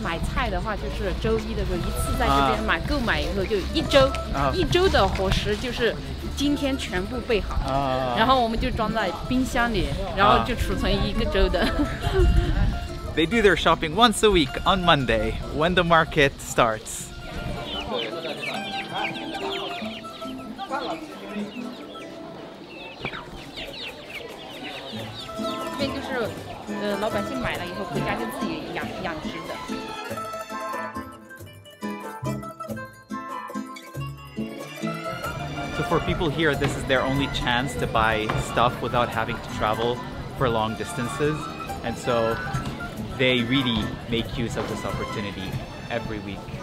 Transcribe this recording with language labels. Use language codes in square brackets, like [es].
[zh] 买菜的话就是周一的时候一次在这边买、啊、购买以后就一周、啊、一周的伙食就是今天全部备好、啊、然后我们就装在冰箱里然后就储存一个周的、 [en] 啊、They do their shopping once a week on Monday when the market starts [zh] 这边就是、老百姓买了以后回家就自己 养殖的 [en] So for people here, this is their only chance to buy stuff without having to travel for long distances. And so they really make use of this opportunity every week.